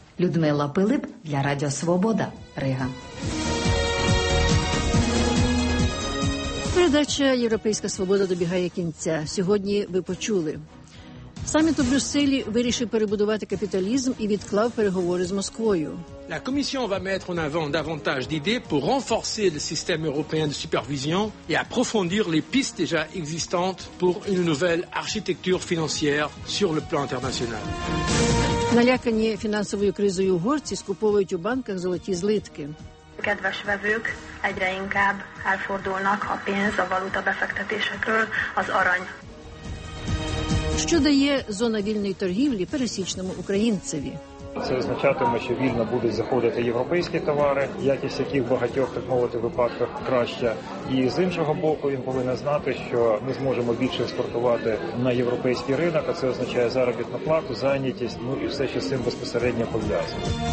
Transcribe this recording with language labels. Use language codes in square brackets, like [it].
[uk] Людмила Пилип для Радіо Свобода, Рига. Передача «Європейська свобода» добігає кінця. Сьогодні ви почули. Саміт у Брюсселі вирішив перебудувати капіталізм і відклав переговори з Москвою. [fr] La commission va mettre en avant davantage d'idées pour renforcer le système européen de supervision et approfondir les pistes déjà existantes pour une nouvelle architecture financière sur le plan international. [uk] Налякані фінансовою кризою угорці скуповують у банках золоті злитки. [hu] Kedves vevők, egyre inkább elfordulnak a pénz, a valuta befektetésekről, az arany. [uk] Що дає зона вільної торгівлі пересічному українцеві? Це означатиме, що вільно будуть заходити європейські товари, якість яких в багатьох, так мовити, випадках краща. І з іншого боку, він повинен знати, що ми зможемо більше експортувати на європейський ринок, а це означає заробітну плату, зайнятість, ну і все, що з цим безпосередньо пов'язано.